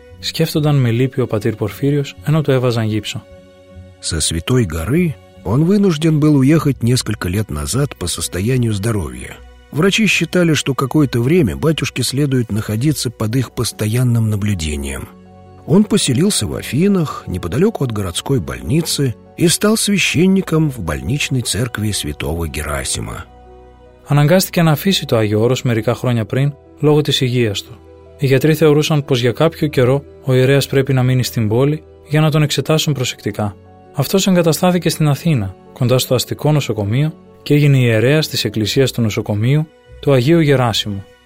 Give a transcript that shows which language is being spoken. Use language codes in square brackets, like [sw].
[el] Σκέφτονταν με λύπη ο πατήρ Πορφύριος ενώ του έβαζαν γύψο. [ru] Σε Святой Горы он вынужден был уехать несколько лет назад по состоянию здоровья. Врачи считали, что какое-то время батюшке следует находиться под их постоянным наблюдением. Он поселился в Афинах, неподалеку от городской больницы, и стал священником в больничной церкви святого Герасима. [el] Αναγκάστηκε να αφήσει το Άγιο Όρος μερικά χρόνια πριν, λόγω της υγείας του. Οι γιατροί θεωρούσαν πως για κάποιο καιρό ο ιερέας πρέπει να μείνει στην πόλη για να τον εξετάσουν προσεκτικά. Αυτός εγκαταστάθηκε στην Αθήνα, κοντά στο αστικό νοσοκομείο και έγινε ιερέας της εκκλησίας του νοσοκομείου του Αγίου Γεράσιμου.